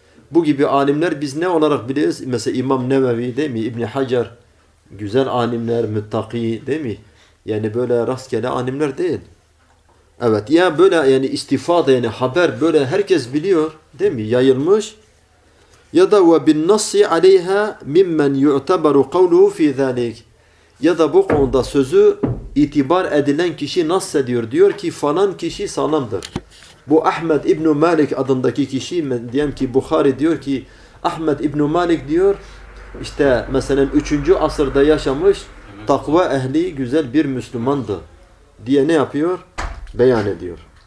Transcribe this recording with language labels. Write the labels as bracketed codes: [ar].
[tr] Bu gibi alimler biz ne olarak biliyoruz? Mesela İmam Nevevi değil mi? İbni Hacer. Güzel alimler, müttaki değil mi? Yani böyle rastgele alimler değil. Evet, ya yani böyle yani istifade, yani haber böyle herkes biliyor değil mi? Yayılmış. Ya da [ar] وَبِالنَّصِّ عَلَيْهَا مِمَّنْ يُعْتَبَرُ قَوْلُهُ فِي ذَلِكِ. [tr] Ya da bu konuda sözü itibar edilen kişi nasıl ediyor? Diyor ki falan kişi sağlamdır. Bu Ahmed İbn-i Malik adındaki kişi, diyelim ki Bukhari, diyor ki Ahmed İbn-i Malik diyor işte mesela 3. asırda yaşamış, takva ehli, güzel bir Müslümandı diye ne yapıyor? Beyan ediyor.